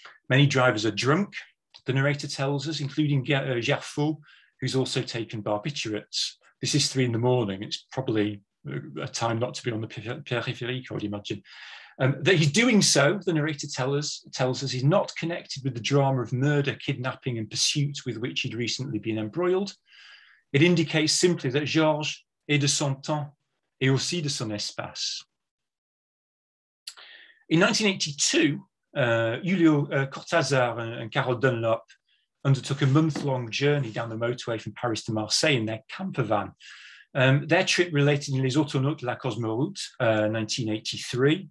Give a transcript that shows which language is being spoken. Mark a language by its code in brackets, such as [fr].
[en] Many drivers are drunk, the narrator tells us, including Gerfaut, who's also taken barbiturates. This is 3 a.m, it's probably a time not to be on the Périphérique, I would imagine. That he's doing so, the narrator tells us, he's not connected with the drama of murder, kidnapping and pursuit with which he'd recently been embroiled. It indicates simply that [fr] Georges est de son temps et aussi de son espace. [en] In 1982, Julio Cortazar and Carol Dunlop undertook a month-long journey down the motorway from Paris to Marseille in their camper van. Their trip related in Les Autonautes de la Cosmoroute, 1983.